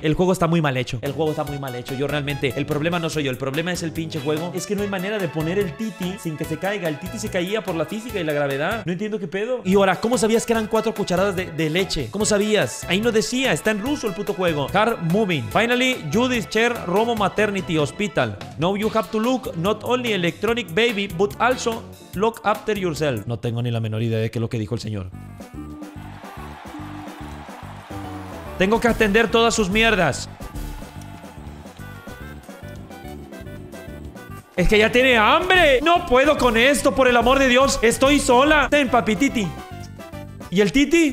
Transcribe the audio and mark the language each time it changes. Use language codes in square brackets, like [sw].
[es] El juego está muy mal hecho. El juego está muy mal hecho. Yo realmente, el problema no soy yo. El problema es el pinche juego. Es que no hay manera de poner el Titi sin que se caiga. El Titi se caía por la física y la gravedad. No entiendo qué pedo. Y ahora, ¿cómo sabías que eran 4 cucharadas de leche? ¿Cómo sabías? Ahí no decía. Está en ruso el puto juego. [en] Car moving. Finally, Judith Chair Romo Maternity Hospital. Now you have to look not only electronic baby, but also look after yourself. [es] No tengo ni la menor idea de qué es lo que dijo el señor. Tengo que atender todas sus mierdas. Es que ya tiene hambre. No puedo con esto, por el amor de Dios. Estoy sola. Ten, papi, Titi. ¿Y el Titi?